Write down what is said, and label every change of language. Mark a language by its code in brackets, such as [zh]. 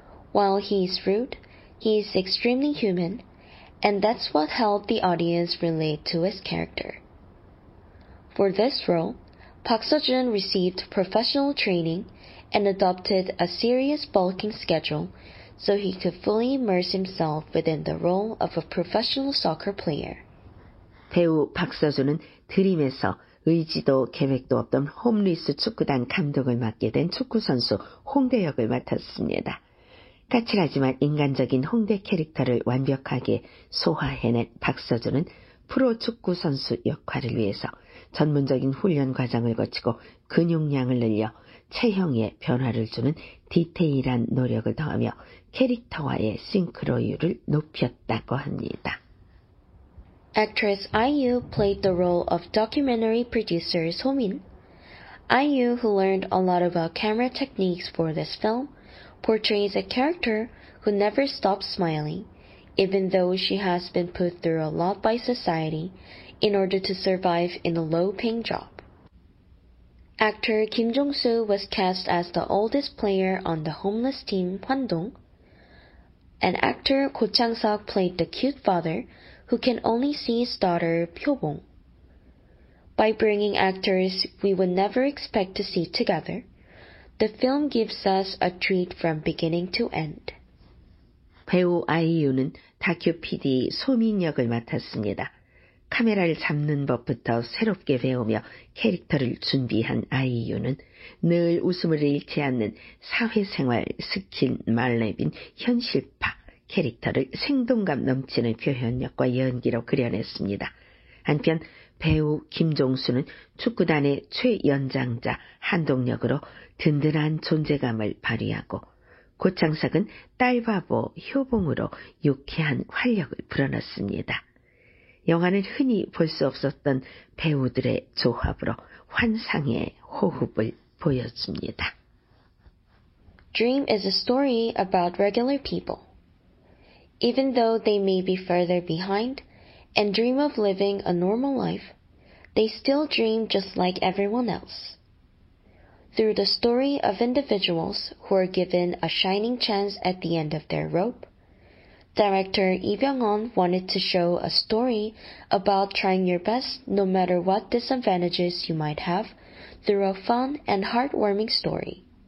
[en] While he is rude, he is extremely human, and that's what helped the audience relate to his character. For this role, Park Seo-jun received professional training and adopted a serious bulking schedule so he could fully immerse himself within the role of a professional soccer player. [ko] 배우 박서준은 드림에서 의지도 계획도 없던 홈리스 축구단 감독을 맡게 된 축구선수 홍대 역을 맡았습니다. 까칠하지만 인간적인 홍대 캐릭터를 완벽하게 소화해낸 박서준은 프로 축구선수 역할을 위해서 전문적인 훈련 과정을 거치고 근육량을 늘려 체형에 변화를 주는 디테일한 노력을 더하며 캐릭터와의 싱크로율을 높였다고 합니다. [en] Actress IU played the role of documentary producer So-min. IU, who learned a lot about camera techniques for this film, portrays a character who never stops smiling, even though she has been put through a lot by society in order to survive in a low-paying job. Actor Kim Jong-soo was cast as the oldest player on the homeless team Hwan Dong, and actor Ko Chang-seok played the cute father who can only see his daughter Pyo Bong. By bringing actors we would never expect to see together, the film gives us a treat from beginning to end. [ko] 배우 아이유는 다큐 PD 소민 역을 맡았습니다. 카메라를 잡는 법부터 새롭게 배우며 캐릭터를 준비한 아이유는 늘 웃음을 잃지 않는 사회생활 스킨 말랩인 현실파 캐릭터를 생동감 넘치는 표현력과 연기로 그려냈습니다. 한편 배우 김종수는 축구단의 최연장자 한동역으로 든든한 존재감을 발휘하고 고창석은 딸바보 효봉으로 유쾌한 활력을 불어넣습니다. 영화는 흔히 볼 수 없었던 배우들의 조합으로 환상의 호흡을 보여줍니다. [en] Dream is a story about regular people. Even though they may be further behind and dream of living a normal life, they still dream just like everyone else. Through the story of individuals who are given a shining chance at the end of their rope, director Lee Byung-hun wanted to show a story about trying your best no matter what disadvantages you might have through a fun and heartwarming story.